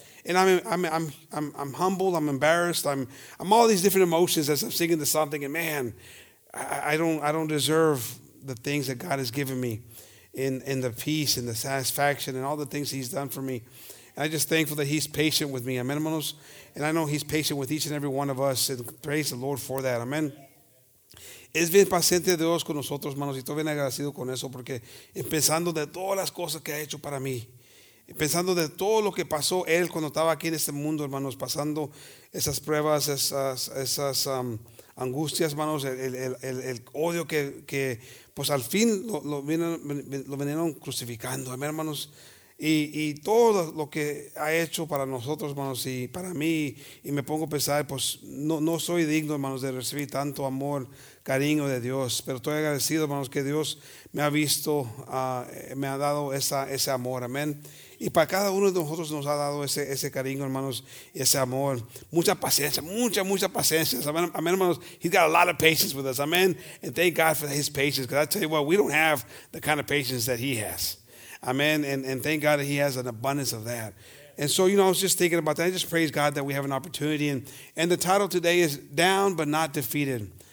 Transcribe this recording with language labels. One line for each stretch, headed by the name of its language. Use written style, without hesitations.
English: And I'm humbled. I'm embarrassed. I'm all these different emotions as I'm singing the song, thinking, man, I don't deserve the things that God has given me in the peace and the satisfaction and all the things he's done for me. And I'm just thankful that he's patient with me. Amen, hermanos. And I know he's patient with each and every one of us. And praise the Lord for that. Amen.
Spanish: Es bien paciente Dios con nosotros, hermanos. Y estoy bien agradecido con eso. Porque pensando de todas las cosas que ha hecho para mí. Pensando de todo lo que pasó él cuando estaba aquí en este mundo, hermanos. Pasando esas pruebas, esas angustias, hermanos. El odio que pues al fin lo vinieron crucificando. Amen, hermanos. Y todo lo que ha hecho para nosotros, hermanos, y para mí, y me pongo a pensar, pues no soy digno, hermanos, de recibir tanto amor, cariño de Dios. Pero estoy agradecido, hermanos, que Dios me ha visto, me ha dado ese amor, amén. Y para cada uno de nosotros nos ha dado ese cariño, hermanos, y ese amor. Mucha paciencia, mucha paciencia. Amén, hermanos.
English: He's got a lot of patience with us, amén. And thank God for his patience, because I tell you what, we don't have the kind of patience that he has. Amen, and thank God that he has an abundance of that. And so, you know, I was just thinking about that. I just praise God that we have an opportunity. And the title today is Down But Not Defeated.